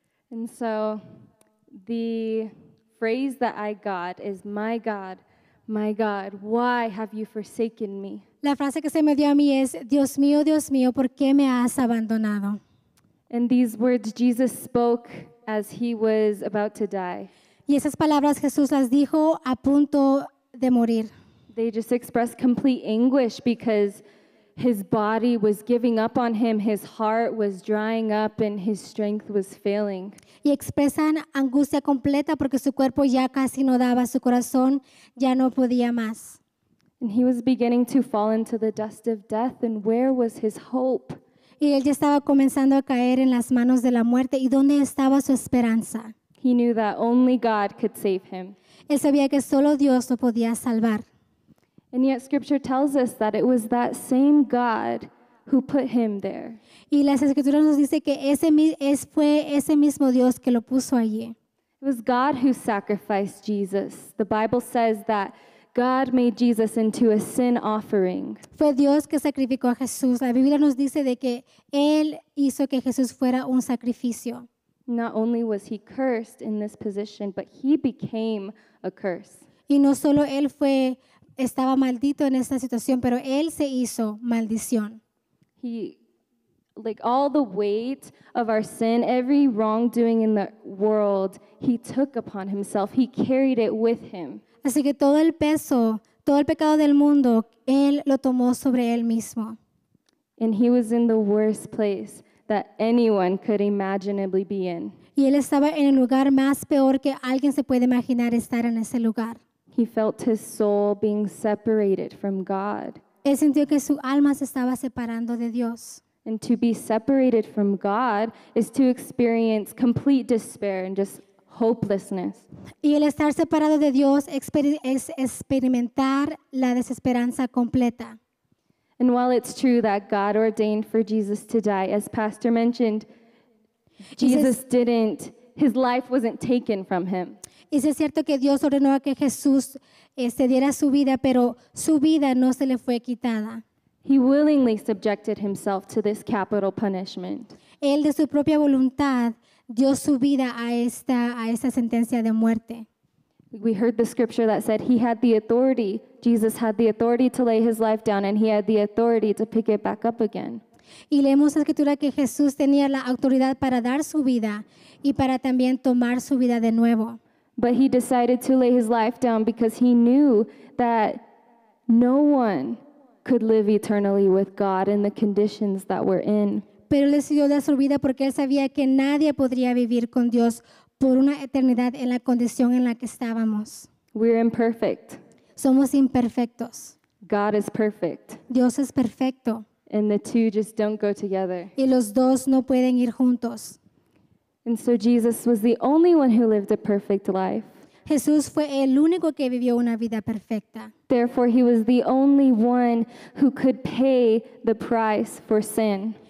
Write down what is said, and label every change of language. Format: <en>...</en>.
<en>And so the phrase that I got is, my God, why have you forsaken me?</en> <es>La frase que se me dio a mí es, Dios mío, ¿por qué me has abandonado?</es> <en>And these words Jesus spoke as he was about to die.</en> <es>Y esas palabras Jesús las dijo a punto de morir.</es> <en>They just express complete anguish because his body was giving up on him, his heart was drying up, and his strength was failing.</en> <es>Y expresan angustia completa porque su cuerpo ya casi no daba, su corazón ya no podía más.</es> <en>And he was beginning to fall into the dust of death, and where was his hope?</en> <es>Y él ya estaba comenzando a caer en las manos de la muerte, ¿y dónde estaba su esperanza?</es> <en>He knew that only God could save him.</en> <es>Él sabía que solo Dios lo podía salvar.</es> <en>And yet scripture tells us that it was that same God who put him there.</en> <es>Y las escrituras nos dice que fue ese mismo Dios que lo puso allí.</es> <en>It was God who sacrificed Jesus. The Bible says that God made Jesus into a sin offering.</en> <es>Fue Dios que sacrificó a Jesús. La Biblia nos dice de que él hizo que Jesús fuera un sacrificio.</es> <en>Not only was he cursed in this position, but he became a curse.</en> <es>Y no solo él fue estaba maldito en esta situación, pero él se hizo maldición.</es> <en>He, like all the weight of our sin, every wrongdoing in the world, he took upon himself. He carried it with him.</en> <es>Así que todo el peso, todo el pecado del mundo, él lo tomó sobre él mismo.</es> <en>And he was in the worst place that anyone could imaginably be in.</en> <es>Y él estaba en el lugar más peor que alguien se puede imaginar estar en ese lugar.</es> <en>He felt his soul being separated from God.</en> <es>Él sintió que su alma se estaba separando de Dios.</es> <en>And to be separated from God is to experience complete despair and just hopelessness.</en> <es>Y el estar separado de Dios es experimentar la desesperanza completa.</es> <en>And while it's true that God ordained for Jesus to die, as Pastor mentioned, his life wasn't taken from him.</en> <es>Y es cierto que Dios ordenó a que Jesús se diera su vida, pero su vida no se le fue quitada.</es> <en>He willingly subjected himself to this capital punishment.</en> <es>Él de su propia voluntad dio su vida a esta sentencia de muerte.</es> <en>We heard the scripture that said he had the authority, Jesus had the authority to lay his life down and he had the authority to pick it back up again.</en> <es>Y leemos la escritura que Jesús tenía la autoridad para dar su vida y para también tomar su vida de nuevo.</es> <en>But he decided to lay his life down because he knew that no one could live eternally with God in the conditions that we're in.</en> <es>Pero él decidió dar su vida porque él sabía que nadie podría vivir con Dios por una eternidad en la condición en la que estábamos.</es> <en>We're imperfect.</en> <es>Somos imperfectos.</es> <en>God is perfect.</en> <es>Dios es perfecto.</es> <en>And the two just don't go together.</en> <es>Y los dos no pueden ir juntos.</es> <en>And so Jesus was the only one who lived a perfect life.</en> <es>Jesús fue el único que vivió una vida perfecta.</es> <en>Therefore, he was the only one who could pay the price for sin.</en>